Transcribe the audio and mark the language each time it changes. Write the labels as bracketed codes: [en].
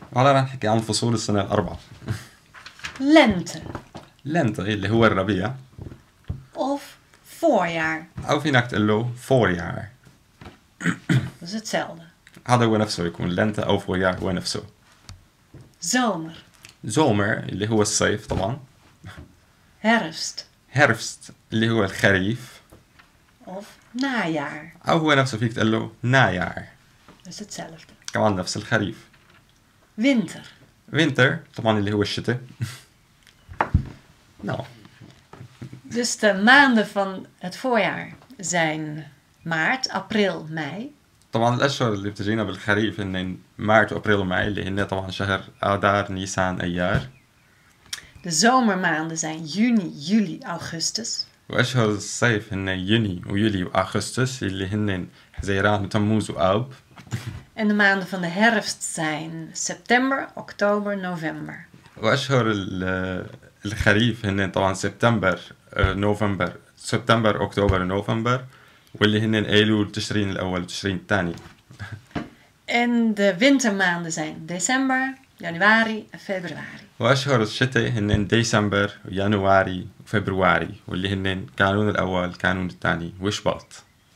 [nl] Voilà, dan ga ik aan [ar] فصول السنة الأربعة. [nl] Lente. [ar] Lente, اللي هو الربيع. [nl] Of voorjaar. [ar] أو في نقطة اللو voorjaar. [nl] Dat is hetzelfde. [ar] هذا هو نفسه يكون lente أو voorjaar هو نفسه. [nl] Zomer. [ar] Zomer, اللي هو الصيف طبعا. [nl] Herfst. [ar] Herfst, اللي هو الخريف. [nl] Of najaar. [ar] أو هو نفسه فيك تقول له najaar. [nl] Dat is hetzelfde. [ar] كمان نفس الخريف. Winter. Winter, طبعا اللي هو الشتاء. نعم. [nl] Dus de maanden van het voorjaar zijn maart, april, mei. [ar] طبعا الأشهر اللي بتجينا بالخريف هن مارت وابريل وماي اللي هن طبعا شهر آذار نيسان أيار. [nl] De zomermaanden zijn juni, juli, augustus. [ar] وأشهر الصيف هن يوني ويولي وأغسطس اللي هن حزيران وتموز وآب. [nl] En de maanden van de herfst zijn september, oktober, november. [ar] وأشهر الخريف هن طبعا سبتمبر نوفمبر سبتمبر أكتوبر نوفمبر واللي هن أيلول تشرين الأول وتشرين الثاني. [nl] En de wintermaanden zijn december, januari en februari. [ar] وأشهر الشتاء هن ديسمبر يناير فبراير واللي هن كانون الأول كانون الثاني وشباط.